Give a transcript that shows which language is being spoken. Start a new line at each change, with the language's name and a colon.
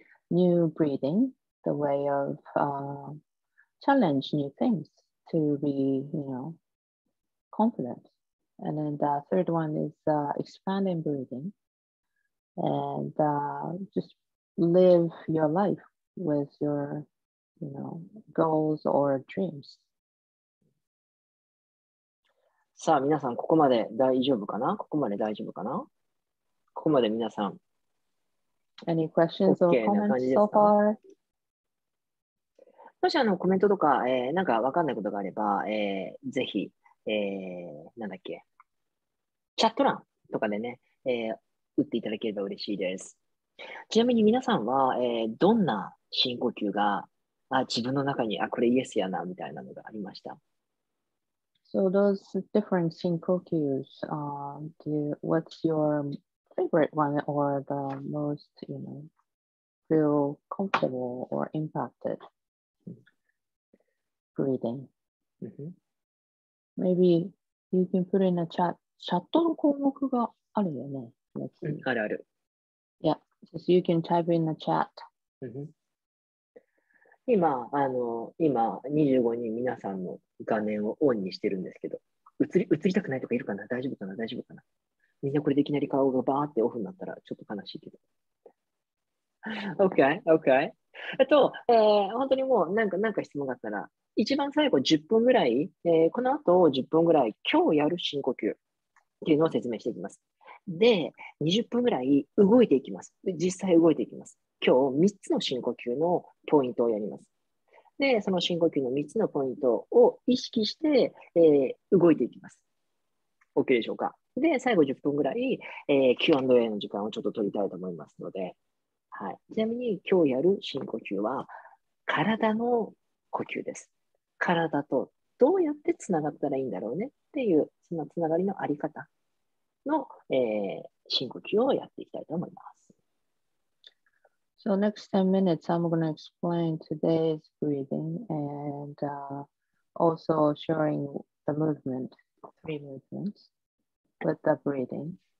English: new breathing, the way of challenge new things to be, you know, confident. And then the third one is expanding breathing and just live your life with your, you know, goals or dreams.
Japanese: さあ、皆さん、ここまで大丈夫かな？ここまで大丈夫かな？ここまで皆さん。
English: Any questions or comments so far?
Japanese: もしあのコメントとか、なんかわかんないことがあれば、ぜひ、なんだっけ、チャット欄とかでね、打っていただければ嬉しいです。ちなみに皆さんは、どんな深呼吸が、自分の中に、あ、これイエスやな、みたいなのがありました。
English: So those different synchrocues, what's your favorite one or the most, you know, feel comfortable or impacted breathing? Maybe you can put in a chat.
Japanese: チャットの項目があるよね。あるある。
English: Yeah, so you can type in a chat.
Japanese: 今25人皆さんの画面をオンにしてるんですけど、映りたくないとかいるかな、大丈夫かな、大丈夫かな。みんなこれでいきなり顔がバーってオフになったらちょっと悲しいけど。
English: OK、OK。
Japanese: 本当にもうなんか質問があったら、一番最後10分ぐらい、この後10分ぐらい、今日やる深呼吸っていうのを説明していきます。で、20分ぐらい動いていきます。実際動いていきます。今日3つの深呼吸のポイントをやります。で、その深呼吸の3つのポイントを意識して、動いていきます。OK でしょうか。で、最後10分ぐらい、Q&A の時間をちょっと取りたいと思いますので、はい。ちなみに今日やる深呼吸は体の呼吸です。体とどうやってつながったらいいんだろうねっていう、そのつながりのあり方の、深呼吸をやっていきたいと思います。
English: So next 10 minutes, I'm going to explain today's breathing and also sharing the movement, three movements with the breathing.